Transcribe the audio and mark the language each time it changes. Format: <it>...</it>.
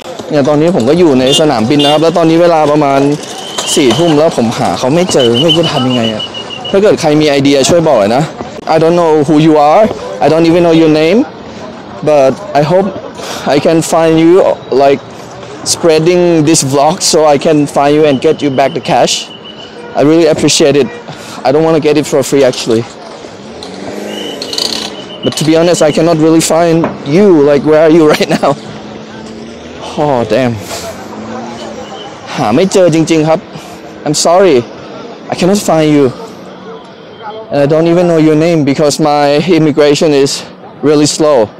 <th>เนี่ยตอนนี้ผมก็อยู่ในสนามบินนะครับแล้วตอนนี้เวลาประมาณ4ทุ่มแล้วผมหาเขาไม่เจอไม่รู้จะทำยังไงอะถ้าเกิดใครมีไอเดียช่วยบอกนะ</th> <en>I don't know who you are I don't even know your name but I hope I can find you like spreading this vlog so I can find you and get you back the cashI really appreciate it. I don't want to get it for free actually. But to be honest, I cannot really find you. Like, where are you right now? Oh, damn.</en> <th>หาไม่เจอจริงๆครับ</th> <en>I'm sorry. I cannot find you. And I don't even know your name because my immigration is really slow.</en>